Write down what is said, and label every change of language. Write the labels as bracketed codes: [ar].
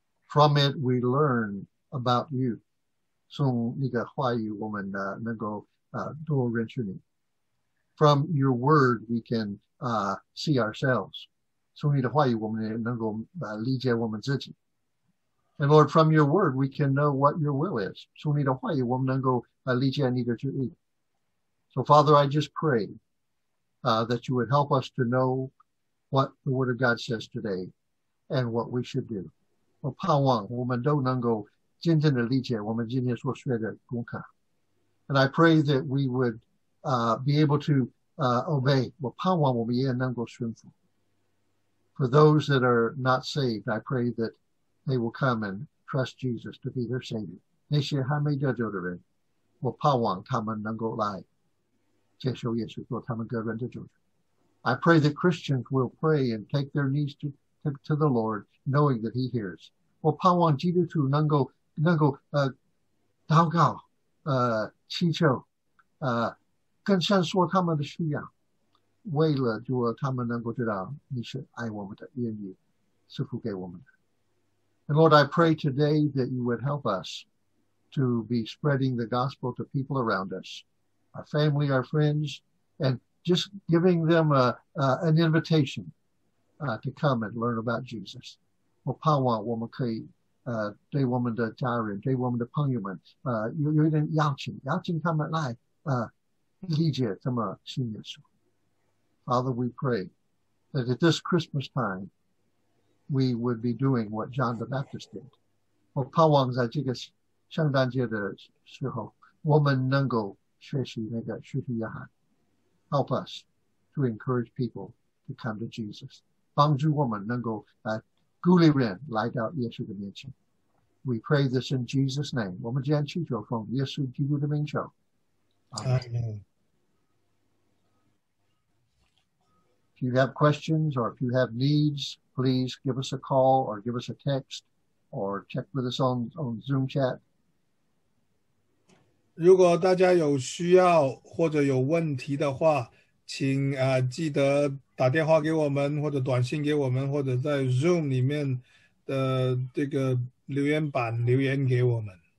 [en] From it, we learn about you. [zh] 从你的话语，我们能够多认识你。 [en] From your word, we can see ourselves. [zh] 从你的话语，我们也能够理解我们自己。 [en] And Lord, from your word, we can know what your will is. [zh] 从你的话语，我们能够理解你的旨意。 [en] So Father, I just pray that you would help us to know what the word of God says today and what we should do. [zh] 我盼望我们都能够真正的理解我们今天所学的功课。 [en] And I pray that we would be able to obey. [zh] 我盼望我们也能够顺服。 [en] For those that are not saved, I pray that they will come and trust Jesus to be their Savior. [zh] 那些还没得救的人，我盼望他们能够来接受耶稣做他们个人的救主。 [en] I pray that Christians will pray and take their knees to the Lord, knowing that He hears. [zh] 我盼望基督徒能够祷告祈求跟神说他们的需要，为了就他们能够知道你是爱我们的，愿意赐福给我们的。 [en] And Lord, I pray today that you would help us to be spreading the gospel to people around us, our family, our friends, and just giving them an invitation to come and learn about Jesus. [zh] 我盼望我们可以对我们的家人，对我们的朋友们有一点邀请他们来理解这么信耶稣。 [en] Father, we pray that at this Christmas time, we would be doing what John the Baptist did. [zh] 我盼望在这个圣诞节的时候，我们能够学习那个施洗约翰。 [en] Help us to encourage people to come to Jesus. [zh] 帮助我们能够鼓励人来到耶稣的面前。 [en] We pray this in Jesus' name. [zh] 我们这样祈求奉耶稣基督的名求。 [en] Amen. If you have questions or if you have needs, please give us a call or give us a text or check with us on Zoom chat. [zh] 如果大家有需要或者有问题的话，请记得打电话给我们，或者短信给我们，或者在 Zoom 里面的这个留言板留言给我们。